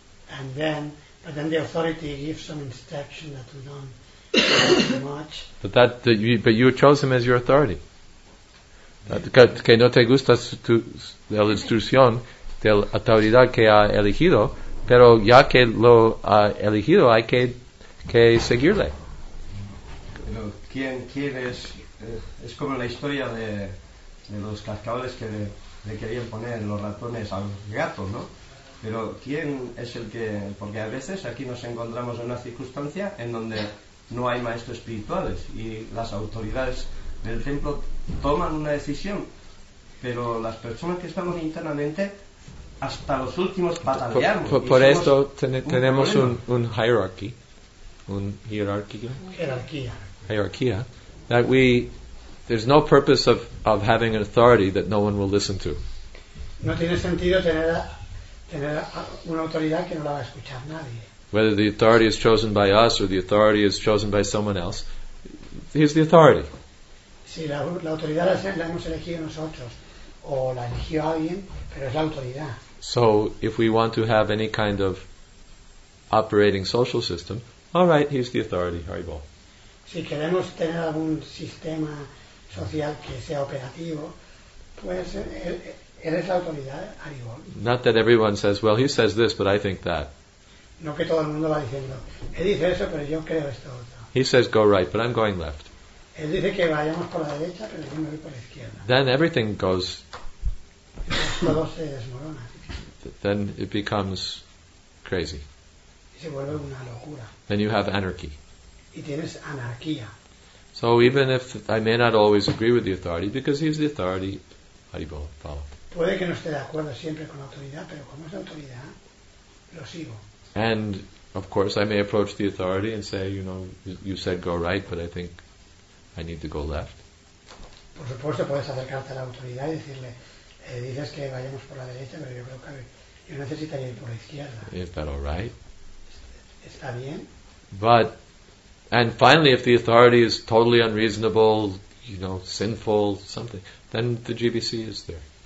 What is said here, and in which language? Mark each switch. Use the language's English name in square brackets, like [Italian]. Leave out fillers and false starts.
[English] And then the authority gives some instruction that we don't too much. But you chose him as your authority. [Spanish] Que no te gusta la instrucción de la autoridad que ha elegido, pero ya que lo ha elegido, hay que seguirle. Pero quién es, es como la historia de los cascabeles que le querían poner los ratones al gato, ¿no? Pero ¿quién es el que...? Porque a veces aquí nos encontramos en una circunstancia en donde no hay maestros espirituales y las autoridades del templo toman una decisión, pero las personas que estamos internamente hasta los últimos batallamos. Por esto tenemos un hierarchy, un hierarquía. Hierarquía. [English] That we, there's no purpose of having an authority that no one will listen to. [Spanish] No tiene sentido tener una autoridad que no la va a escuchar nadie. [English] Whether the authority is chosen by us or the authority is chosen by someone else, here's the authority. [Spanish] Si la autoridad la hemos elegido nosotros o la eligió alguien, pero es la autoridad. [English] So if we want to have any kind of operating social system, all right, here's the authority, Haribol. [Spanish] Si queremos tener algún sistema social que sea operativo, pues él es la autoridad, Haribol. [English] Not that everyone says, well, he says this, but I think that. [Spanish] No que todo el mundo va diciendo, él dice eso, pero yo creo esto otro. [English] He says go right, but I'm going left. [Spanish] Él dice que vayamos por la derecha, pero yo me voy por la izquierda. [English] Then everything goes... [Spanish] Todo se desmorona. [English] Then it becomes crazy. [Spanish] Y se vuelve una locura. [English] Then you have anarchy. [Spanish] Y tienes anarquía. [English] So even if I may not always agree with the authority, because he's the authority, how do you follow? [Spanish] Puede que no esté de acuerdo siempre con la autoridad, pero como es la autoridad, lo sigo. [English] And, of course, I may approach the authority and say, you know, you said go right, but I think I need to go left. [Spanish] Por supuesto, puedes acercarte a la autoridad y decirle, dices que vayamos por la derecha, pero yo creo que yo necesitaría ir por la izquierda. [English] Is that all right? [Spanish] ¿Está bien? [English] But, and finally, if the authority is totally unreasonable, you know, sinful, something, then the GBC is there.